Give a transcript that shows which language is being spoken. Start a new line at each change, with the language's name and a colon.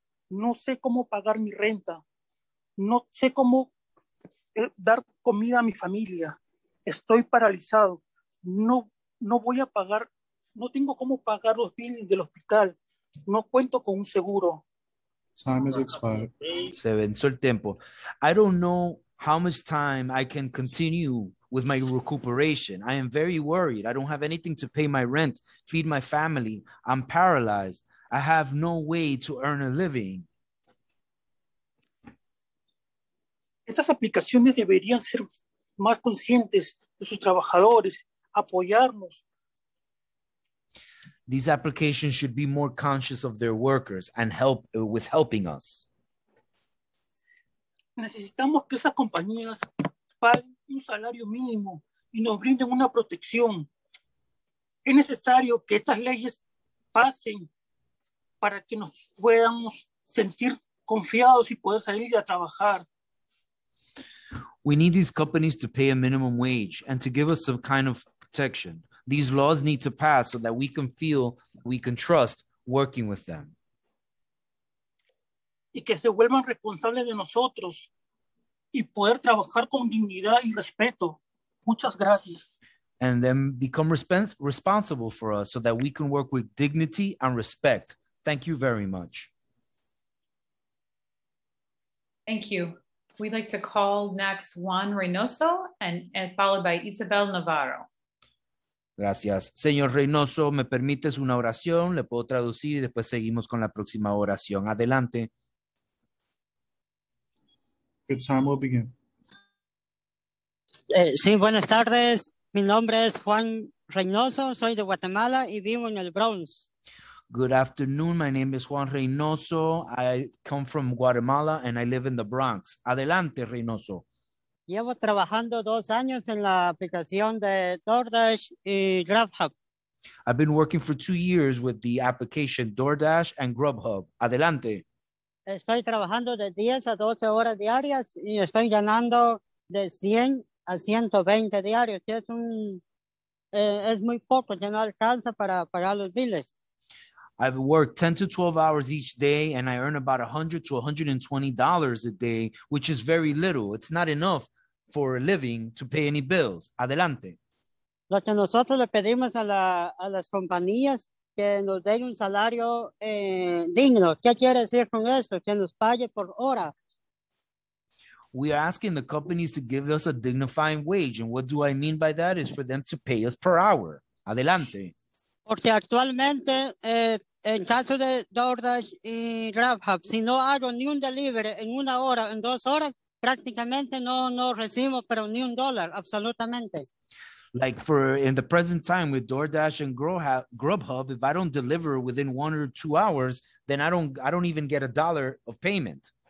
Spanish: No sé cómo pagar mi renta. No sé cómo dar comida a mi familia. Estoy paralizado. No voy a pagar. No tengo cómo pagar los billes del hospital. No cuento con un seguro.
English: Time has expired.
Spanish: Se venció el tiempo.
English: I don't know how much time I can continue with my recuperation. I am very worried. I don't have anything to pay my rent, feed my family. I'm paralyzed. I have no way to earn a living.
Spanish: Estas aplicaciones deberían ser más conscientes de sus trabajadores, apoyarnos.
English: These applications should be more conscious of their workers and help with helping us.
Spanish: Necesitamos que esas compañías paguen un salario mínimo y nos brinden una protección. Es necesario que estas leyes pasen para que nos podamos sentir confiados y poder salir a trabajar.
English: We need these companies to pay a minimum wage and to give us some kind of protection. These laws need to pass so that we can feel we can trust working with them.
Spanish: Y que se vuelvan responsables de nosotros y poder trabajar con dignidad y respeto. Muchas gracias.
English: And then become responsible for us so that we can work with dignity and respect. Thank you very much. Thank you. We'd like to call next Juan Reynoso and followed by Isabel Navarro.
Spanish: Gracias. Señor Reynoso, ¿me permites una oración? Le puedo traducir y después seguimos con la próxima oración. Adelante.
English: Good time, we'll begin.
Spanish: Sí, buenas tardes. Mi nombre es Juan Reynoso. Soy de Guatemala y vivo en el Bronx.
English: Good afternoon. My name is Juan Reynoso. I come from Guatemala and I live in the Bronx.
Spanish: Adelante, Reynoso. Llevo trabajando 2 años en la aplicación de DoorDash y Grubhub.
English: I've been working for 2 years with the application DoorDash and Grubhub.
Spanish: Adelante. Estoy trabajando de 10 a 12 horas diarias y estoy ganando de 100 a 120 diarios, que es muy poco, que no alcanza para pagar los biles.
English: I've worked 10 to 12 hours each day and I earn about $100 to $120 a day, which is very little. It's not enough for a living to pay any bills.
Spanish: Adelante. Lo que nosotros le pedimos a las compañías que nos den un salario digno. ¿Qué quiere decir con eso? Que nos pague por hora.
English: We are asking the companies to give us a dignifying wage. And what do I mean by that is for them to pay us per hour.
Spanish: Adelante. Porque actualmente, en caso de DoorDash y Grubhub, si no hago ni un delivery en 1 hora, en 2 horas, prácticamente no recibo, pero ni un dólar, absolutamente.
English: Like for in the present time with DoorDash and Grubhub, if I don't deliver within 1 or 2 hours, then I don't even get a dollar of payment.